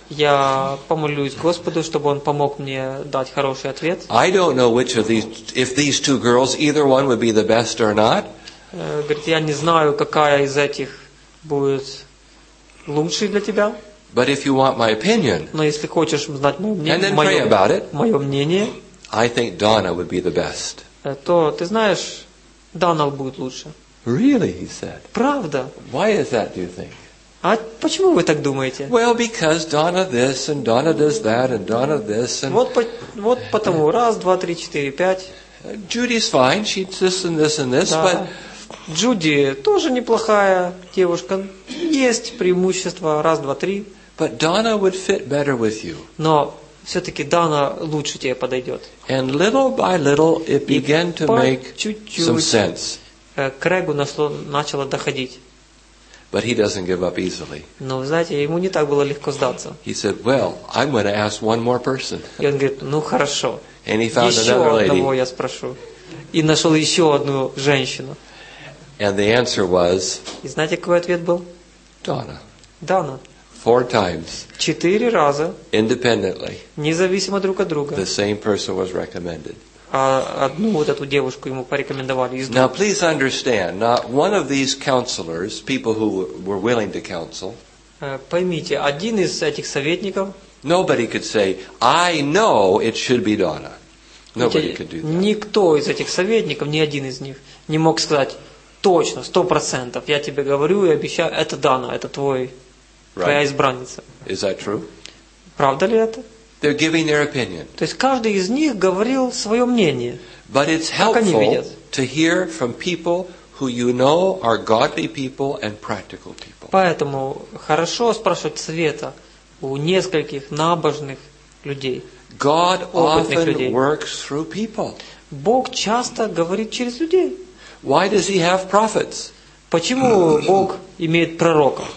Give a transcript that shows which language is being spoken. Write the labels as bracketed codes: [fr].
[ru] Я помолюсь Господу, чтобы он помог мне дать хороший ответ. [en] I don't know which of these, if these two girls, either one would be the best or not. [ru] Говорит, я не знаю, какая из этих будет лучшей для тебя. [en] But if you want my opinion, [ru] но если хочешь знать мое мнение, [en] and then pray about it, [ru] мое мнение, [en] I think Donna would be the best. [ru] То ты знаешь, Дана будет лучше. [en] Really, he said. [ru] Правда. [en] Why is that, do you think? [ru] А почему вы так думаете? [en] Well, because Donna this and Donna does that and Donna this and. [ru] Вот потому раз, два, три, четыре, пять. [en] Judy's fine. She's this and this and this, [ru] да. [en] But. [ru] Джуди тоже неплохая девушка. Есть преимущества. Раз, два, три. [en] But Donna would fit better with you. [ru] Но все-таки Дана лучше тебе подойдет. [en] And little by little it began to make some sense. [ru] Крэгу начало доходить. [en] But he doesn't give up easily. [ru] Но, знаете, ему не так было легко сдаться. [en] He said, well, I'm going to ask one more person. [ru] И он говорит, ну хорошо. [en] And he found [ru] еще [en] another lady. [ru] Одного я спрошу. И нашел еще одну женщину. [en] And the answer was. [ru] И знаете, какой ответ был? [en] Donna. Donna. Four times. [ru] Четыре раза. [en] Independently. [ru] Независимо друг от друга. [en] The same person was recommended. [ru] А одну вот эту девушку ему порекомендовали из двух. [en] Now please understand, not one of these counselors, people who were willing to counsel. [ru] Поймите, один из этих советников. [en] Nobody could say, I know it should be Donna. Nobody could do that. [ru] Никто из этих советников, ни один из них, не мог сказать. Точно, 100%. Я тебе говорю и обещаю, это Дана, это твоя избранница. [en] Is that true? [ru] Правда ли это? [en] They're giving their opinion. [ru] То есть каждый из них говорил свое мнение. [en] But it's helpful to hear from people who you know are godly people and practical people. [ru] Поэтому хорошо спрашивать совета у нескольких набожных людей. [en] God often works through people. [ru] Бог часто говорит через людей. [en] Why does he have prophets? [ru] Почему Бог имеет пророков?